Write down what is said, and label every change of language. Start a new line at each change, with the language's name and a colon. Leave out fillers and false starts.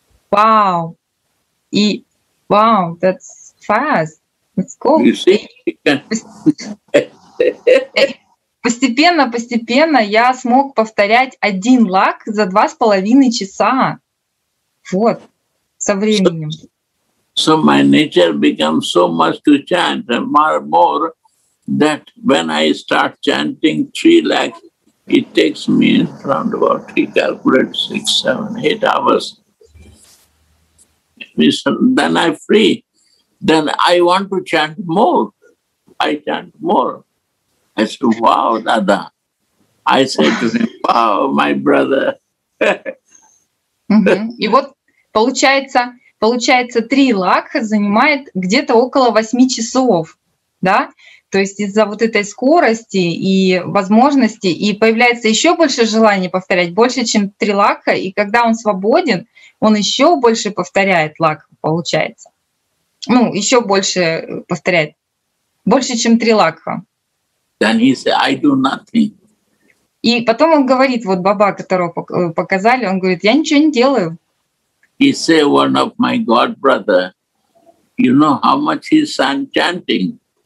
English: Wow. Wow, that's fast. That's cool. You see?
Russian: Постепенно-постепенно я смог повторять 1 лакх за 2.5 часа. Вот, со временем.
English: So my nature becomes so much to chant, more that when I start chanting 3 lakhs, it takes me around about, he calculated, 6, 7, 8 hours. Then I free. Then I want to chant more. I chant more. I said, wow, Dada. I said to him, wow, my brother.
Russian: Mm-hmm. И вот получается 3 лакха занимает где-то около 8 часов, да? То есть из-за вот этой скорости и возможности, и появляется еще больше желания повторять, больше, чем 3 лакха, и когда он свободен, он еще больше повторяет лакха, получается. Ну, еще больше повторяет, больше, чем 3 лакха.
English: Then he said, I do nothing.
Russian: И потом он говорит, вот баба, которого показали, он говорит, я ничего не делаю.
English: He said, one of my god brother, you know how much he sang chanting?